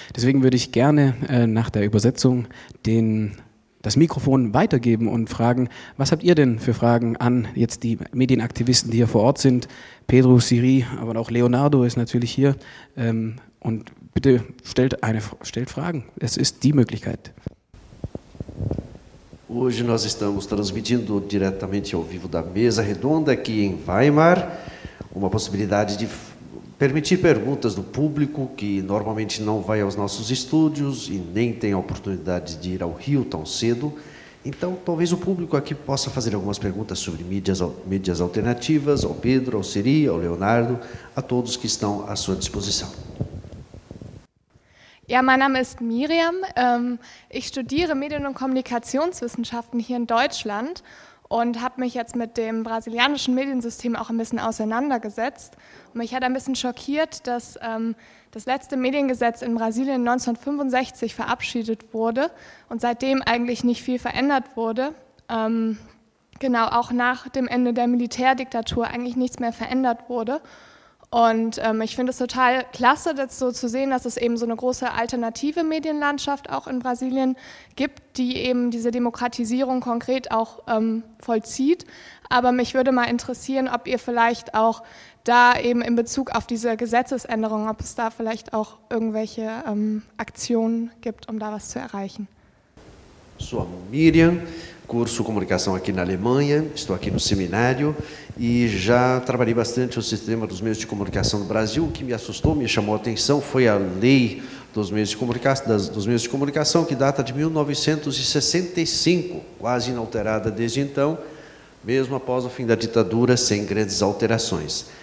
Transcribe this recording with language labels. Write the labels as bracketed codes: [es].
[de] Deswegen würde ich gerne nach der Übersetzung das Mikrofon weitergeben und fragen, was habt ihr denn für Fragen an jetzt die Medienaktivisten, die hier vor Ort sind? Pedro, Siri, aber auch Leonardo ist natürlich hier und bitte stellt Fragen. Es ist die Möglichkeit. [pt] Hoje nós estamos transmitindo diretamente ao vivo da Mesa Redonda aqui em Weimar, uma possibilidade de permitir perguntas do público que normalmente não vai aos nossos estúdios e nem tem a oportunidade de ir ao Rio tão cedo. Então, talvez o público aqui possa fazer algumas perguntas sobre mídias alternativas ao Pedro, ao Siri, ao Leonardo, a todos que estão à sua disposição. [de] Ja, mein Name ist Miriam. Ich studiere Medien- und Kommunikationswissenschaften hier in Deutschland und habe mich jetzt mit dem brasilianischen Mediensystem auch ein bisschen auseinandergesetzt. Und mich hat ein bisschen schockiert, dass das letzte Mediengesetz in Brasilien 1965 verabschiedet wurde und seitdem eigentlich nicht viel verändert wurde. Genau, auch nach dem Ende der Militärdiktatur eigentlich nichts mehr verändert wurde. Und ich finde es total klasse, das so zu sehen, dass es eben so eine große alternative Medienlandschaft auch in Brasilien gibt, die eben diese Demokratisierung konkret auch vollzieht. Aber mich würde mal interessieren, ob ihr vielleicht auch da eben in Bezug auf diese Gesetzesänderung, ob es da vielleicht auch irgendwelche Aktionen gibt, um da was zu erreichen. [pt] Sou a Miriam, curso Comunicação aqui na Alemanha, estou aqui no seminário e já trabalhei bastante no sistema dos meios de comunicação no Brasil. O que me assustou, me chamou a atenção, foi a lei dos meios de comunicação, que data de 1965, quase inalterada desde então, mesmo após o fim da ditadura, sem grandes alterações.